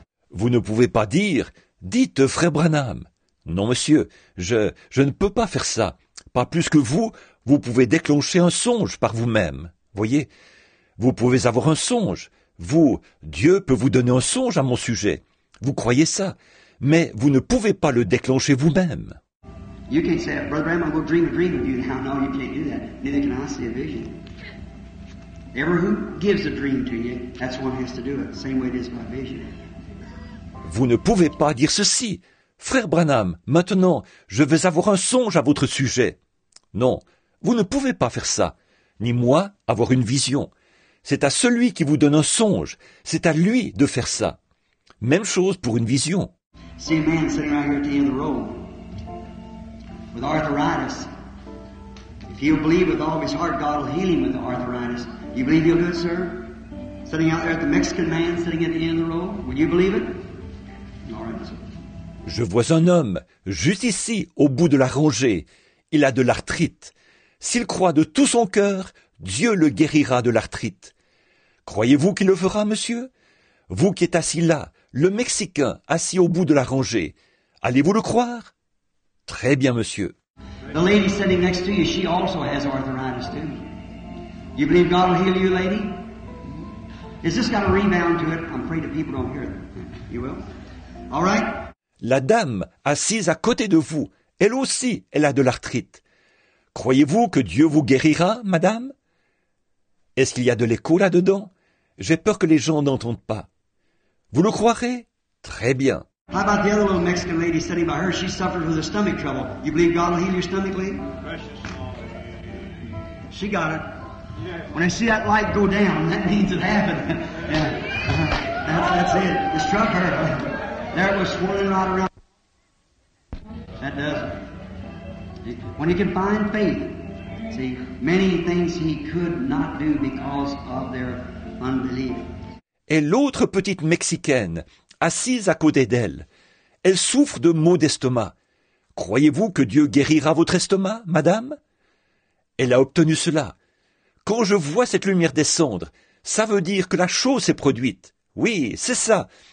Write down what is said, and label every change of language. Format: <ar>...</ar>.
<fr>Vous ne pouvez pas dire, dites frère Branham. Non monsieur, je ne peux pas faire ça. Pas plus que vous, vous pouvez déclencher un songe par vous-même. Voyez, vous pouvez avoir un songe. Vous, Dieu peut vous donner un songe à mon sujet. Vous croyez ça, mais vous ne pouvez pas le déclencher vous-même.</fr> <en>You can't say, Brother Bram, I'm going to dream a dream of you now. No, you can't do that. Neither can I see a vision. Ever who gives a dream to you, that's the one who has to do it. Same way it is my vision.</en> <fr>Vous ne pouvez pas dire ceci. Frère Branham, maintenant, je vais avoir un songe à votre sujet. Non, vous ne pouvez pas faire ça, ni moi avoir une vision. C'est à celui qui vous donne un songe, c'est à lui de faire ça. Même chose pour une vision.</fr> <en>See a man sitting right here at the end of the road with arthritis. If you believe with all of his heart, God will heal him with the arthritis. You believe he'll do it, sir? Sitting out there at the Mexican man sitting at the end of the road, would you believe it?</en> <fr>Je vois un homme, juste ici, au bout de la rangée. Il a de l'arthrite. S'il croit de tout son cœur, Dieu le guérira de l'arthrite. Croyez-vous qu'il le fera, monsieur? Vous qui êtes assis là, le Mexicain assis au bout de la rangée, allez-vous le croire? Très bien, monsieur.</fr> <en>The lady sitting next to you, she also has arthritis too. You believe God will heal you, lady? Is this got a rebound to it? I'm afraid that people don't hear it. You will? All right.</en> <fr>La dame assise à côté de vous, elle aussi, elle a de l'arthrite. Croyez-vous que Dieu vous guérira, madame? Est-ce qu'il y a de l'écho là-dedans? J'ai peur que les gens n'entendent pas. Vous le croirez? Très bien.</fr> <en>How about the other little Mexican lady sitting by her? She suffers with a stomach trouble. You believe God will heal your stomach, lady? She got it. When I see that light go down, that means it happened. Yeah. That's it. It struck her. There it was swirling right around. That does it. When he can find faith, see, many things he could not do because of their unbelief.</en> <fr>Et l'autre petite Mexicaine, assise à côté d'elle, elle souffre de maux d'estomac. Croyez-vous que Dieu guérira votre estomac, madame? Elle a obtenu cela. Quand je vois cette lumière descendre, ça veut dire que la chose s'est produite. Oui, c'est ça.</fr>